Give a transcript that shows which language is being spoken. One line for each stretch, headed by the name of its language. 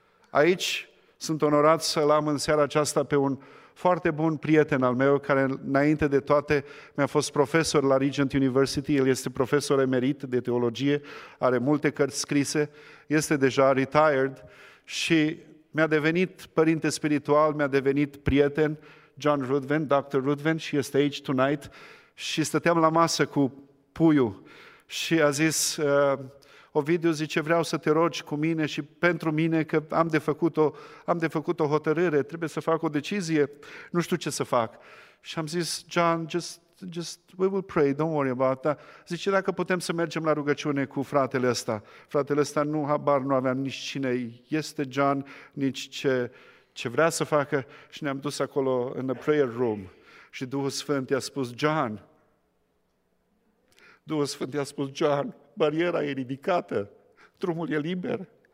Romanian: Aici sunt onorat să-L am în seara aceasta pe un foarte bun prieten al meu, care înainte de toate mi-a fost profesor la Regent University, el este profesor emerit de teologie, are multe cărți scrise, este deja retired și mi-a devenit părinte spiritual, mi-a devenit prieten, John Rudven, Dr. Rudven, și este aici tonight, și stăteam la masă cu puiul și a zis, Ovidiu, zice, vreau să te rogi cu mine și pentru mine, că am de făcut o hotărâre, trebuie să fac o decizie, nu știu ce să fac. Și am zis,
English: John, just we will pray, don't worry about that.
Romanian: Zice, dacă putem să mergem la rugăciune cu fratele ăsta. Fratele ăsta nu, habar nu aveam nici cine este John, nici ce vrea să facă. Și ne-am dus acolo în
English: the prayer room
Romanian: și Duhul Sfânt i-a spus, John, bariera e ridicată, drumul e liber.